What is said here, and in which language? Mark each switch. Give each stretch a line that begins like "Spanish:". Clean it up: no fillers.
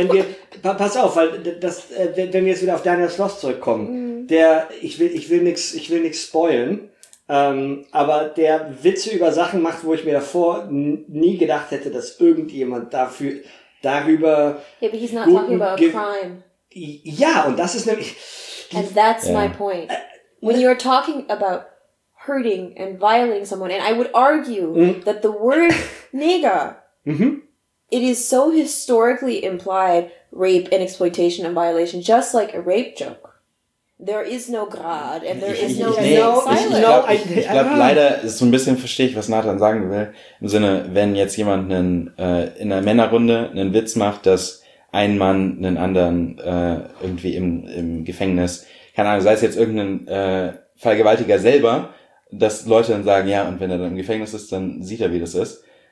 German: Wenn wir, pass auf, weil das, wenn wir jetzt wieder auf Daniel Schloss zurückkommen, ich will nichts spoilen, aber der Witze über Sachen macht, wo ich mir davor nie gedacht hätte, dass irgendjemand darüber.
English: Yeah, but he's not talking about crime.
German: Ja, und das ist nämlich.
English: And that's my point. When you're talking about hurting and violating someone, and I would argue that the word nigger, it is so historically implied rape and exploitation and violation, just like a rape joke. There is no Grad and there is no Silence.
German: Ich glaube, leider ist so ein bisschen, verstehe ich, was Nathan sagen will. Im Sinne, wenn jetzt jemand in der Männerrunde einen Witz macht, dass ein Mann einen anderen irgendwie im Gefängnis, keine Ahnung, sei es jetzt irgendein Vergewaltiger selber, dass Leute dann sagen, ja, und wenn er dann im Gefängnis ist, dann sieht er, wie das ist.